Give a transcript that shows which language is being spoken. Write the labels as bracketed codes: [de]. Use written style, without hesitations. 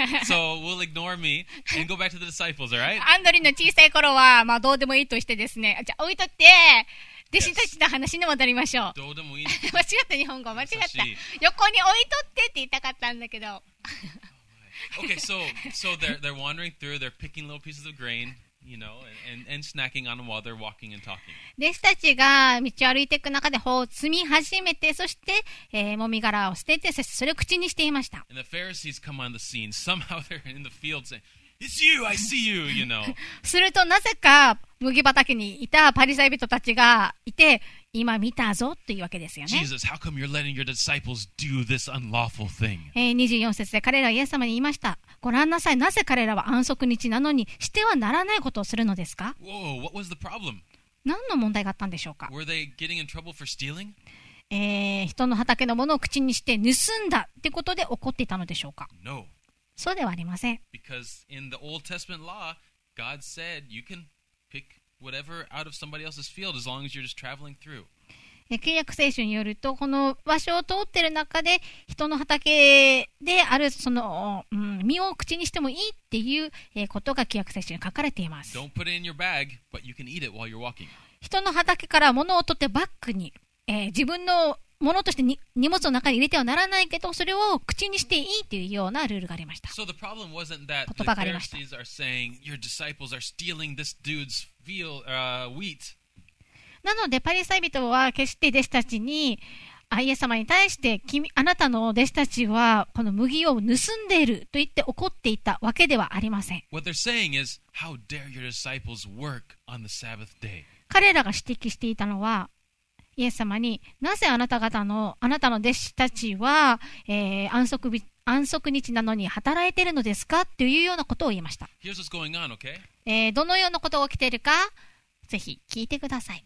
[en] So we'll ignore me and go back to the disciples, all right? [ja] アンドリーの小さい頃は、どうでもいいとしてですね。じゃあ、置いとって、弟子たちの話に戻りましょう。どうでもいい。間違った日本語、間違った。横に置いとってって言いたかったんだけど。 [en] Okay, so they're wandering through, they're picking little pieces of grain. You know, and snacking on while they're walking and talking. [ja] 弟子たちが道を歩いていく中で穂を摘み始めて、そして、もみ殻を捨てて、そしてそれを口にしていました。 [en] And the Pharisees come on the scene. Somehow they're in the field saying, It's you, I see you, you know. [ja] するとなぜか麦畑にいたパリサイ人たちがいて、今見たぞというわけですよね。 [en] Jesus, how come you're letting your disciples do this unlawful thing? [ja] 24節で彼らはイエス様に言いました。ご覧なさい、なぜ彼らは安息日なのにしてはならないことをするのですか？ [en] Whoa, what was the problem? [ja] 何の問題があったんでしょうか？ [en] Were they getting in trouble for stealing? [ja] 人の畑のものを口にして盗んだってことで怒っていたのでしょうか？ [en] No. [ja] そうではありません。 [en] Because in the Old Testament law, God said you can pick whatever out of somebody else's field as long as you're just traveling through. [ja] 旧約聖書によると、この場所を通っている中で人の畑であるその、実を口にしてもいいっていうことが旧約聖書に書かれています。 [en] Don't put it in your bag, but you can eat it while you're walking. [ja] 人の畑から物を取ってバッグに、自分の物として荷物の中に入れてはならないけど、それを口にしていいというようなルールがありました。 [en] So the problem wasn't that the Pharisees are saying your disciples are stealing this dude's field, wheat. [ja] なのでパリサイ人は決して弟子たちに、あ、イエス様に対して君、あなたの弟子たちはこの麦を盗んでいると言って怒っていたわけではありません。 [en] What they're saying is, how dare your disciples work on the Sabbath day? [ja] 彼らが指摘していたのは、イエス様になぜあなた方のあなたの弟子たちは、安息日なのに働いているのですかというようなことを言いました。 [en] Here's what's going on, okay? [ja] どのようなことが起きているかぜひ聞いてください。